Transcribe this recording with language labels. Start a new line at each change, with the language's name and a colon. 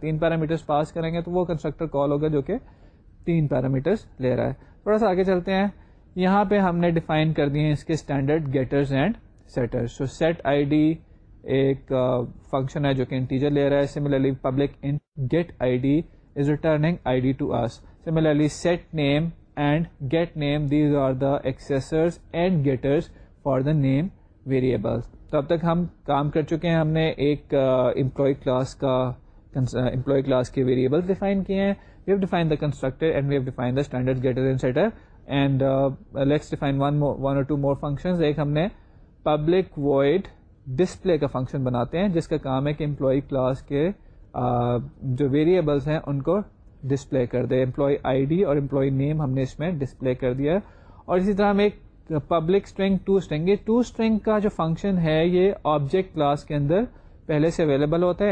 Urdu: تین parameters pass کریں گے تو وہ کنسٹرکٹر کال ہوگا جو کہ تین پیرامیٹرس لے رہا ہے. تھوڑا سا آگے چلتے ہیں. یہاں پہ ہم نے ڈیفائن کر دیے ہیں اس کے standard گیٹرز and setters. So set I D ایک فنکشن ہے جو کہ انٹیجر لے رہا ہے.
English: Similarly public int get I D is returning I D to us. Similarly set name and get name these are the accessors and getters for the name variables.
Urdu: تو اب تک ہم کام کر چکے ہیں, ہم نے ایک امپلائی کلاس کا امپلائی کلاس کے ویریبلس ڈیفائن کیے ہیں.
English: We have defined the constructor and we have defined the standard getter and setter. And let's define one or two more functions.
Urdu: ایک ہم نے public void display کا function بناتے ہیں جس کا کام ہے کہ employee class کے جو variables ہیں ان کو display کر دے. Employee ID اور employee name ہم نے اس میں ڈسپلے کر دیا. اور اسی طرح ہم ایک پبلک اسٹرنگ ٹو اسٹرنگ, یہ ٹو اسٹرنگ کا جو فنکشن ہے یہ آبجیکٹ کلاس کے اندر پہلے سے اویلیبل ہوتا ہے.